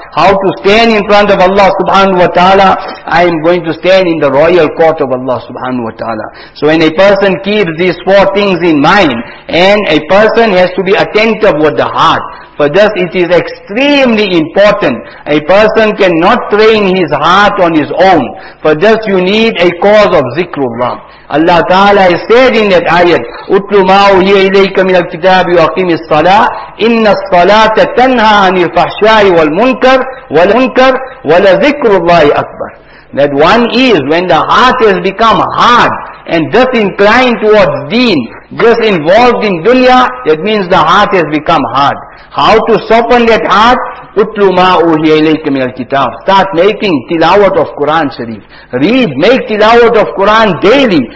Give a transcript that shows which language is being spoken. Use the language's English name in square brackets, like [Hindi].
[English] How to stand in front of Allah subhanahu wa ta'ala. I am going to stand in the royal court of Allah subhanahu wa ta'ala. So when a person keeps these 4 things in mind, and a person has to be attentive with the heart. For this it is extremely important. A person cannot train his heart on his own. For this you need a cause of zikrullah. Allah Ta'ala has said in that ayat, [Arabic] اُتْلُ مَا أُوْحِيَ إِلَيْكَ مِنَ الْكِتَابِ وَأَقِيمِ الصَّلَاةِ إِنَّ الصَّلَاةَ تَنْهَى عَنِ الْفَحْشَاءِ وَالْمُنْكَرِ وَلَذِكْرُ اللَّهِ أَكْبَرُ. [English] That one is, when the heart has become hard and disinclined towards deen, just involved in dunya, that means the heart has become hard. How to soften that heart? [Arabic] Utlu ma uhiya ilayka min al-kitab. [English] Start making tilawat of Quran Sharif. Read, make tilawat of Quran daily.